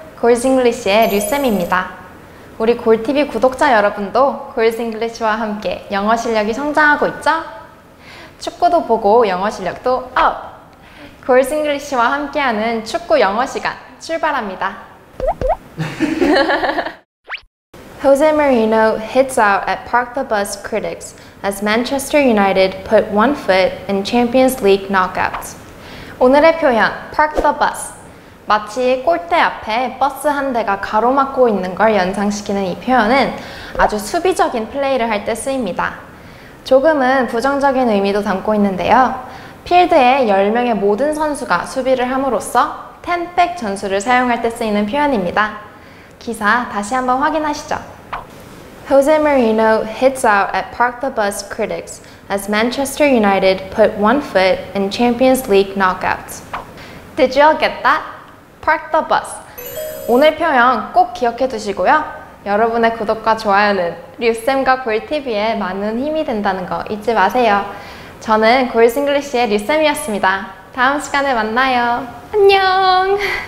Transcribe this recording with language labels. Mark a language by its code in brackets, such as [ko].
[ko] 골즈잉글리시의 류쌤입니다. 우리 꿀TV 구독자 여러분도 골즈잉글리시와 함께 영어 실력이 성장하고 있죠? 축구도 보고 영어 실력도 업! 골즈잉글리시와 함께하는 축구 영어 시간 출발합니다. [en] Jose Mourinho hits out at Park the Bus critics as Manchester United put one foot in Champions League knockouts. [ko] 오늘의 표현, park the bus. 마치 골대 앞에 버스 한 대가 가로막고 있는 걸 연상시키는 이 표현은 아주 수비적인 플레이를 할 때 쓰입니다. 조금은 부정적인 의미도 담고 있는데요. 필드에 10명의 모든 선수가 수비를 함으로써 10백 전술을 사용할 때 쓰이는 표현입니다. 기사 다시 한번 확인하시죠. [en] Jose Mourinho hits out at Park the Bus critics as Manchester United put one foot in Champions League knockouts. Did you all get that? Park the bus. [ko] 오늘 표현 꼭 기억해 두시고요. 여러분의 구독과 좋아요는 류쌤과 골TV에 많은 힘이 된다는 거 잊지 마세요. 저는 골즈잉글리시의 류쌤이었습니다. 다음 시간에 만나요. 안녕!